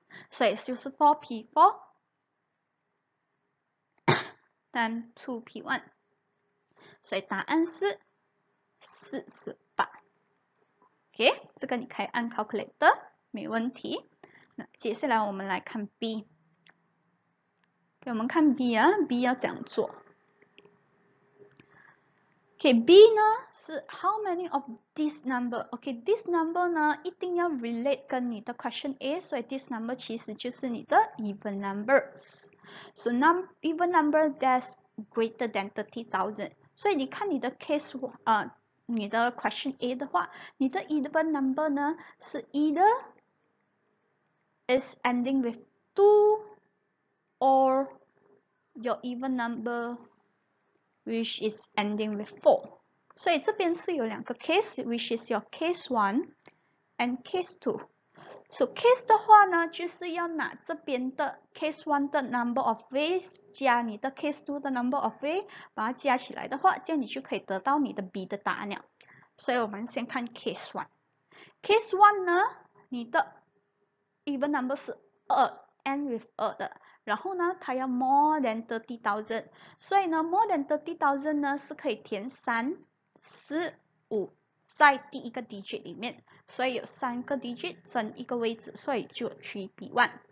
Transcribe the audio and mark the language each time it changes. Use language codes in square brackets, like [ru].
[zh] 所以就是 4P4, then 2P1. 所以答案是 48. OK, 这个你可以按 calculator, 没问题。那接下来我们来看B。给我们看B啊, B要怎样做。 [en] Okay, B呢, 是 how many of this number? [zh] Okay, this number呢, 一定要 relate 跟你的 question A, 所以 this number 其实就是你的 even numbers. [en] So, even number that's greater than 30,000. [zh] 所以你看你的 case, 你的 question A的话, 你的 even number呢, 是 [en] either is ending with 2, or your even number which is ending with 4. [zh] 所以这边是有两个 case, [en] which is your case 1 and case 2. [zh] So case 的话呢, 就是要拿这边的 case 1的 number of ways, 加你的 case 2的 number of ways, 把它加起来的话, 这样你就可以得到你的 B的答案了。所以我们先看 case 1. Case 1呢, 你的 even number 是 2, end with 2的。然后呢, 它要 more than 30,000, 所以呢, more than 30,000呢, 是可以填 3, 4, 5, 在第一个 digit 里面, 所以有3个 digit, 增一个位置, 所以就 3P1.